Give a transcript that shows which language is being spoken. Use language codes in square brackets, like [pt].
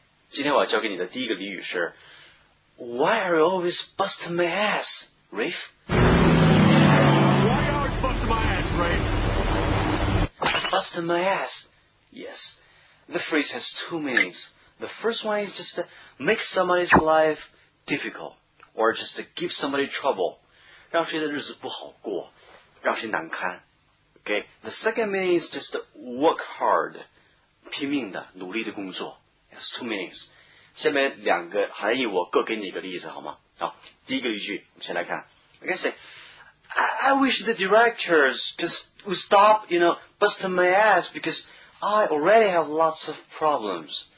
[zh] 今天我要教给你的第一个俚语是 [en] Why are you always busting my ass, Rafe? Why are you always busting my ass, Rafe? Busting my ass? Yes. The phrase has two meanings. The first one is just to make somebody's life difficult, or just to give somebody trouble. [zh] 让谁的日子不好过,让谁难堪. [en] Okay? The second meaning is just to work hard, [zh] 拼命的,努力的工作. [en] It's two meanings. [zh] 下面两个含义我各给你一个例子好吗?好,第一个例句, 先来看, [en] okay, say, I wish the directors would stop, you know, busting my ass because I already have lots of problems.